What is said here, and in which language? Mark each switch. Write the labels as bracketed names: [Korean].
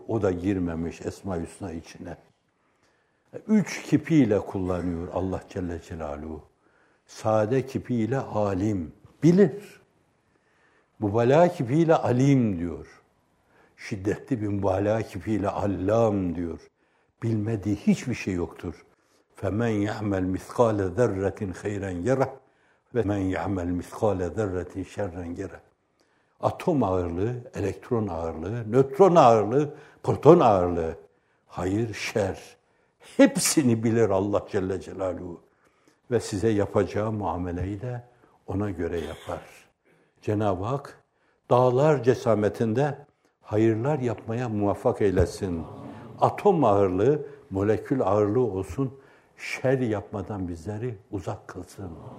[Turkish] O da girmemiş Esma-i Hüsna içine. Üç kipiyle kullanıyor Allah Celle Celaluhu. Sade kipiyle alim. Bilir. Mübalağa kipiyle alim diyor. Şiddetli bir mübalağa kipiyle allam diyor. Bilmediği hiçbir şey yoktur. [Arabic] فَمَنْ يَعْمَلْ مِثْقَالَ ذَرَّةٍ خَيْرًا يَرَهُ وَمَنْ يَعْمَلْ مِثْقَالَ ذَرَّةٍ شَرًّا يَرَهُ [Turkish] Atom ağırlığı, elektron ağırlığı, nötron ağırlığı, proton ağırlığı, hayır, şer. Hepsini bilir Allah Celle Celaluhu. Ve size yapacağı muameleyi de ona göre yapar. Cenab-ı Hak dağlar cesametinde hayırlar yapmaya muvaffak eylesin. Atom ağırlığı, molekül ağırlığı olsun, şer yapmadan bizleri uzak kılsın.